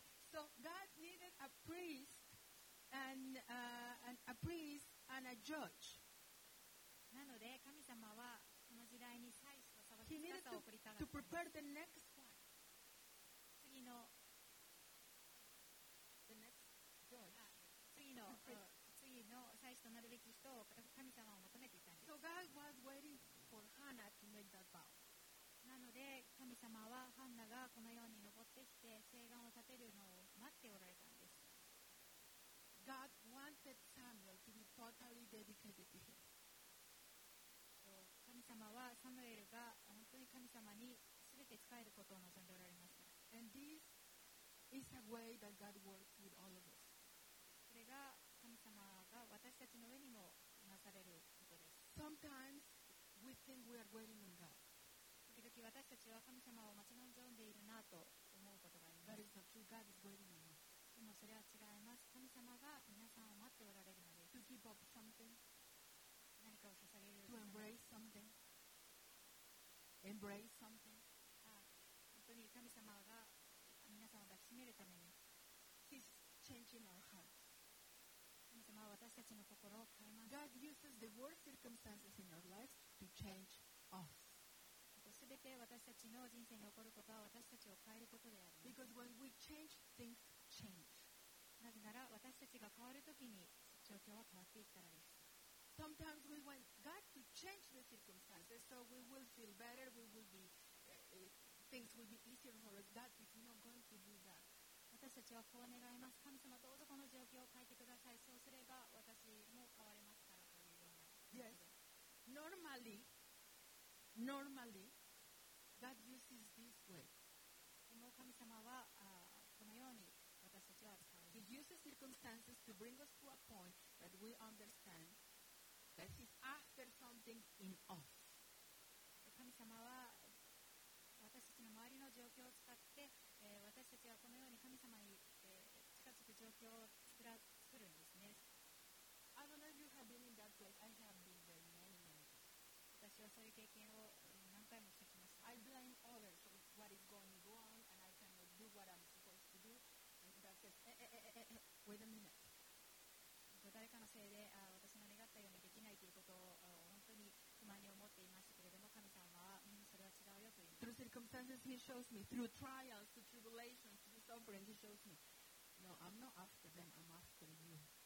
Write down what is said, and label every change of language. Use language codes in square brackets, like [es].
[en] So God needed a priest and a judge. [ja] なので神様はこの時代に祭司と裁き方を送りたかった。 [en] To prepare the next one. [ja] 次の [en] the next judge. [ja] 次の祭司となるべき人を神様を求めていたんです。 [en] So God was waiting for Hannah to make that vow. [ja] なので神様はハンナがこのように登ってきて誓願を立てるのを待っておられたんです。 [en] God wanted Samuel to be totally dedicated to him. [ja] 神様はサムエルが本当に神様に全て仕えることを望んでおられました。 [en] And this is a way that God works with all of us. [ja] それが神様が私たちの上にもなされることです。 [en] Sometimes we think we are waiting on God. [ja] 私たちは神様を待ち望んでいるなと思うことがあります。でもそれは違います。神様が皆さんを待っておられるのです。 [en] To give up something, [ja] 何かを捧げる。 [en] To embrace something, embrace something. [ja] 本当に神様が皆さんを抱きしめるために、 [en] He's changing our hearts. [ja] 神様は私たちの心を変えます。 [en] God uses the worst circumstances in our lives to change us. [ja] すべて私たちの人生に起こることは私たちを変えることであります。 [en] Because when we change, things change. [ja] なぜなら私たちが変わるときに状況は変わっていくからです。 [en] Sometimes we want God to change the circumstances so we will feel better, we will be, things will be easier for us. God is not going to do that. [ja] 私たちはこう願います。神様どうぞこの状況を変えてください。そうすれば私も変われますからというような。 [en] Yes. Normally,Normally, God uses this way. [ja] でも神様はこのように私たちを扱う。 [en] He uses circumstances to bring us to a point that we understand that He's after something in us. [ja] 神様は私たちの周りの状況を使って、私たちはこのように神様に、近づく状況を作るんですね。 [en] I don't know if you have been in that place. I have been there many, many times. [ja] 私はそういう経験を何回もしてきました。 [en] I blame others for what is going wrong and I cannot do what I'm supposed to do. And God says, wait a minute. [ja] 誰かのせいで私の願ったようにできないということを本当に不満に思っていましたけれども、神様は、それは違うよと言います。 [en] Through circumstances, He shows me. Through trials, through tribulations, through suffering, He shows me. No, I'm not after them, I'm after you.